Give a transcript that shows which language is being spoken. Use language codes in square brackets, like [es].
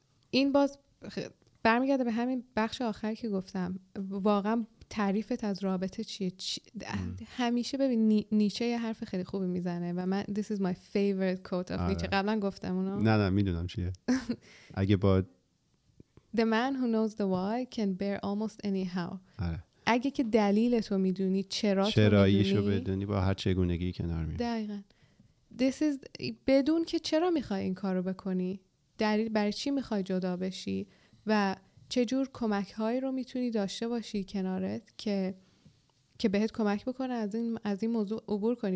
[fa] این باز برمیگرده به همین بخش آخر که گفتم، واقعا تعریفت از رابطه چیه. همیشه ببین نیچه یه حرف خیلی خوبی میزنه و من [en] this is my favorite quote of [fa] نیچه. قبلا گفتم اونو. نه میدونم چیه. اگه با [en] The man who knows the why can bear almost anyhow. [fa] آره. اگه که دلیلتو میدونی چرا تو میدونی چراییشو بدونی با هر چگونگی کنار میای. دقیقاً. [en] This is [fa] بدون که چرا میخوای این کارو بکنی. دلیل برای چی میخوای جدا بشی و چه جور کمک هایی رو میتونی داشته باشی کنارت که بهت کمک بکنه از این موضوع عبور کنی.